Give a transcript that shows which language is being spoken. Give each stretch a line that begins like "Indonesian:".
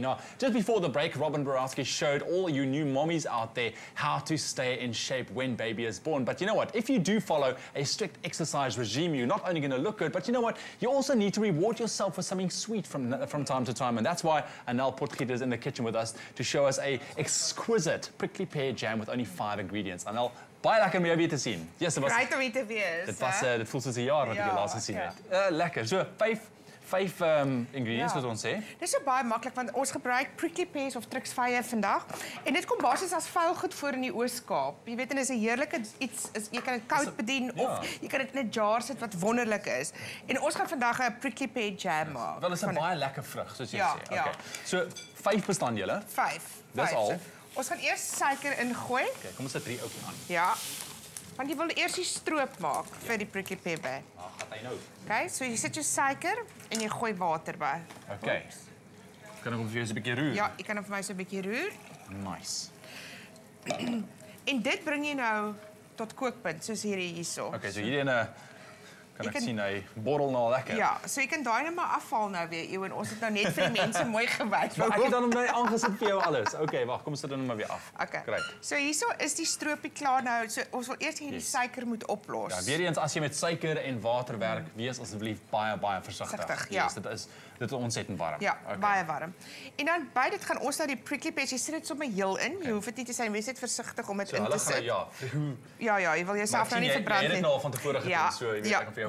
English: Now, just before the break, Robin Borowski showed all you new mommies out there how to stay in shape when baby is born. But you know what? If you do follow a strict exercise regime, you're not only going to look good, but you know what? You also need to reward yourself with something sweet from time to time. And that's why Anel Potgieter is in the kitchen with us to show us a exquisite prickly pear jam with only 5 ingredients.
Afrikaans: Anel, baie lekker om jou weer te sien.
English: Yes, it was. Great to meet you.
Afrikaans: Dit was, dit voel soos 'n jaar wat ek jou laas gesien het. Lekker. So, 5 ingredients wat ons sê. Dit is so baie maklik want ons gebruik prickly pears of Trix Fire vandag. En dit kom basis as vuilgoed voor in die Ooskaap. Jy weet, en is 'n heerlike iets. Jy kan dit koud bedien of jy kan dit in 'n jar sit wat wonderlik is. En ons gaan vandag 'n prickly pear jam maak. Wel, dit is 'n baie lekker vrug, soos jy sê. Okay. So, 5 bestanddele. 5. Dis al. Ons gaan eerst suiker ingooi. Okay, kom ons sit 3 ook aan. Ja. Want jy wil eerst die stroop maak vir die prickly pear. Ah, gaat hy nou. Okay, so jy sit jou suiker en jy gooi water by. Okay. Oops. Kan ek hom vir jou so 'n bietjie roer? Ja, jy kan hom vir my so 'n bietjie roer. Nice. En dit bring jy nou tot kookpunt, soos hierdie hierso. Okay, so hierdie ene kan ek sien hy borrel nou lekker. Ja, so jy kan daai net maar afval nou weer, en ons het nou net vir die mense mooi gewys. Maar ek het dan hom nou aangesit vir jou alles. Okay, wag, kom sit dan hom maar weer af. Okay. Great. So hierso is die stroopie klaar nou. So ons wil eers hierdie suiker moet oplos. Ja, weer eens as jy met suiker en water werk, wees asseblief baie versigtig. Dit is ontsettend warm. Ja, okay. Baie warm. En dan by dit gaan ons nou die prickly pears, jy sit dit sommer heel in. Jy hoef dit nie te sê, wees net versigtig om dit in te sit. Ja, jy wil jouself nou nie verbrand nie. Jy het nou al van tevore gedoen, so jy weet ek.